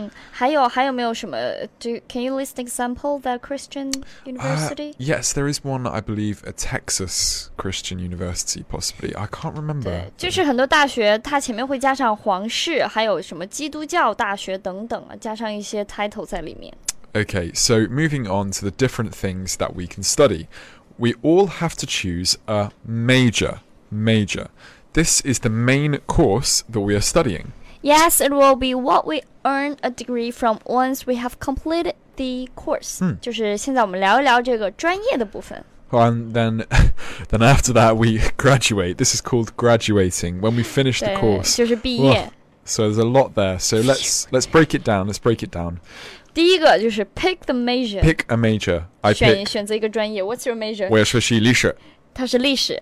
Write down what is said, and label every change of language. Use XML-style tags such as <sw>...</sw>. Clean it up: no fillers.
<zh>还有没有什么</zh> <en>can you list an example the Christian university? Yes, there is one I believe a Texas Christian university possibly I can't remember</en> <zh>对就是很多大学它前面会加上皇室还有什么基督教大学等等加上一些 title 在里面</zh> <en>Okay, so moving on to the different things that we can study We all have to choose a major This is the main course that we are studying Yes, it will be what we earn a degree from once we have completed the course.</en> <zh>就是现在我们聊一聊这个专业的部分。</zh> <en>And then after that, we graduate. This is called graduating, when we finish the course.</en> <zh>就是毕业。</zh> <en>So there's a lot there. So let's break it down. Let's break it down.</en> <zh>第一个就是</zh> <en>pick the major. Pick a major. I pick.</en> <zh>选择一个专业。</zh> <en>What's your major?</en> <zh>我要学习历史。它是历史。</zh>